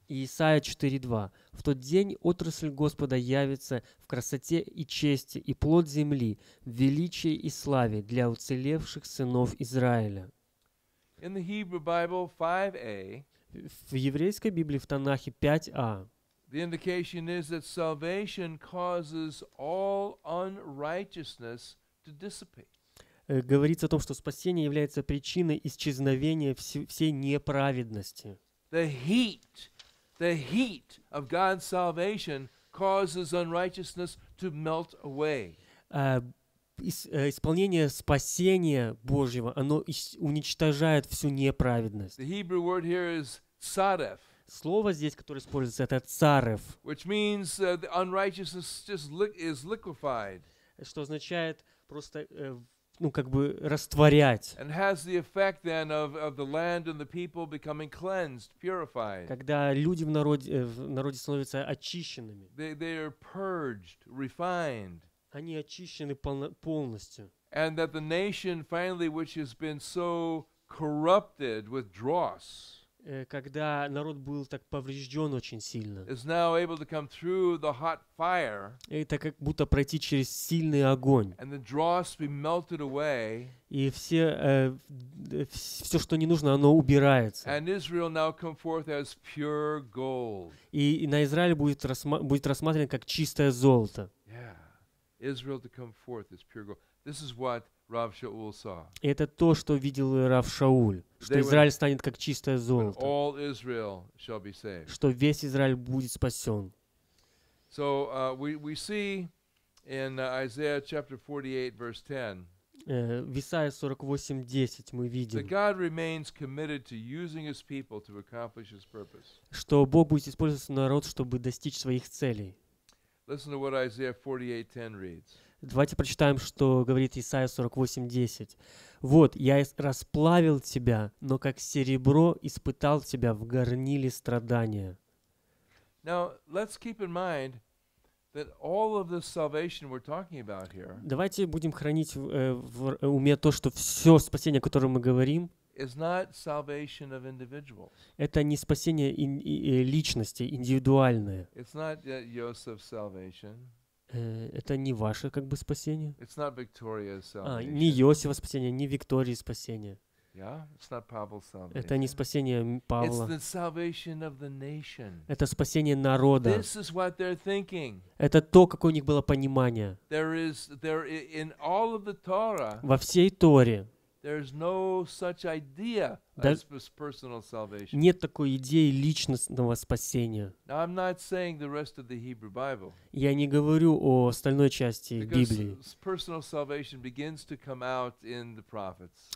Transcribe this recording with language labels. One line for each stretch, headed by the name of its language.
Russian: Исаия 4:2. В тот день отрасль Господа явится в красоте и чести, и плод земли в величии и славе для уцелевших сынов Израиля.
English: In the Hebrew Bible 5A.
Russian: В еврейской Библии в Танахе 5А.
English: The indication is that salvation causes all unrighteousness to dissipate.
Russian: Говорится о том, что спасение является причиной исчезновения всей неправедности.
English: The heat of God's salvation causes unrighteousness to melt away.
Russian: Исполнение спасения Божьего, оно уничтожает всю неправедность.
English: The Hebrew word here is tsarev.
Russian: Слово здесь, которое используется, это tsarev.
English: Which means the unrighteousness just is liquefied.
Russian: Что означает просто ну, как бы растворять.
English: And has the effect then of the land and the people becoming cleansed, purified.
Russian: Когда люди в народе становятся очищенными.
English: They are purged, refined.
Russian: Они очищены полностью.
English: And that the nation finally, which has been so corrupted with dross,
Russian: когда народ был так поврежден очень сильно,
English: is now able to come through the hot fire,
Russian: это как будто пройти через сильный огонь,
English: and the dross be melted away,
Russian: и все, что не нужно, оно убирается,
English: and Israel now come forth as pure gold.
Russian: И на Израиль будет рассмотрен как чистое золото.
English: Yeah. Israel to come forth as pure gold. This is what Rav Shaul saw.
Russian: Это то, что видел Рав Шауль, что Израиль станет как чистое золото.
English: All Israel shall be saved.
Russian: Что весь Израиль будет спасен.
English: So we see in Isaiah chapter 48 verse 10.
Russian: В Исаии 48:10 мы видим,
English: that God remains committed to using His people to accomplish His purpose.
Russian: Что Бог будет использовать свой народ, чтобы достичь своих целей.
English: Listen to what Isaiah 48:10 reads.
Russian: Давайте прочитаем, что говорит Исаия 48:10. «Вот, я расплавил тебя, но как серебро испытал тебя в горниле страдания».
English: Now, let's keep in mind that all of this salvation we're talking about here,
Russian: давайте будем хранить в уме то, что все спасение, о котором мы говорим,
English: is not salvation of individuals.
Russian: Это не спасение личности, индивидуальное.
English: It's not Yosef's salvation.
Russian: Это не ваше как бы спасение.
English: It's not Victoria's salvation.
Russian: А, не Иосифа спасение, не Виктории спасение.
English: Yeah? It's not Pavel's salvation.
Russian: Это не спасение Павла.
English: It's the salvation of the nation.
Russian: Это спасение народа.
English: This is what they're thinking.
Russian: Это то, какое у них было понимание.
English: There in all of the Torah,
Russian: во всей Торе
English: there's no such idea as personal salvation.
Russian: Нет такой идеи личностного спасения.
English: Now, I'm not saying the rest of the Hebrew Bible.
Russian: Я не говорю о остальной части
English: Because
Russian: Библии.
English: Personal salvation begins to come out in the prophets.